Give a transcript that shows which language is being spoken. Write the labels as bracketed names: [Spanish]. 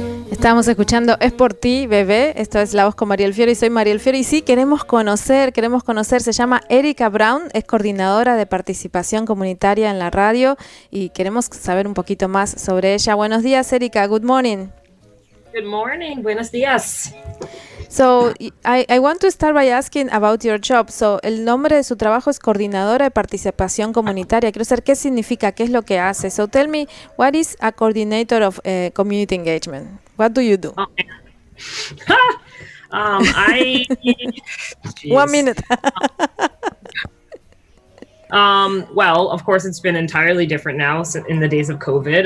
[Spanish] Estamos escuchando Es por ti, bebé. Esto es La Voz con Mariel Fiori. Soy Mariel Fiori. Y sí, queremos conocer. Se llama Erika Brown. Es coordinadora de participación comunitaria en la radio. Y queremos saber un poquito más sobre ella. Buenos días, Erika. [English] Good morning. Good morning. [Spanish] Buenos días. [English] So, I want to start by asking about your job. [Spanish] So, el nombre de su trabajo es coordinadora de participación comunitaria. Quiero saber qué significa, qué es lo que hace. [English] So, tell me, what is a coordinator of community engagement? What do you do? One minute. Well, of course, it's been entirely different now in the days of COVID.